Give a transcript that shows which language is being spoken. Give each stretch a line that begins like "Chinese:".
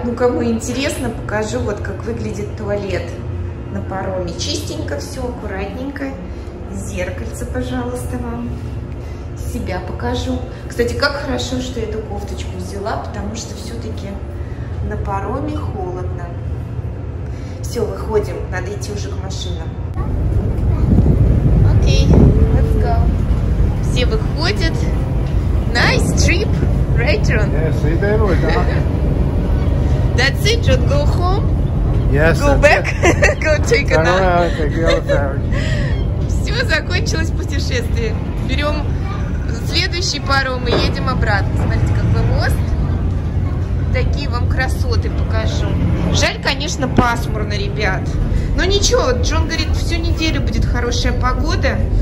Russian: Ну, кому интересно, покажу, вот как выглядит туалет на пароме. Чистенько все, аккуратненько. Зеркальце, пожалуйста, вам. Себя покажу. Кстати, как хорошо, что я эту кофточку взяла, потому что все-таки на пароме холодно. Все, выходим. Надо идти уже к машинам.
English: Окей, let's go.
Russian: Все выходят.
English: Nice trip, right, John? Yes, yeah, see you there, That's it, John, go home? Yes, Go back? go take Turn a nap? Turn around, take the other
Russian: Все, закончилось путешествие. Берем следующий паром и едем обратно. Смотрите, какой мост. Такие вам красоты покажу. Жаль, конечно, пасмурно, ребят. Но ничего, Джон говорит, всю неделю будет хорошая погода.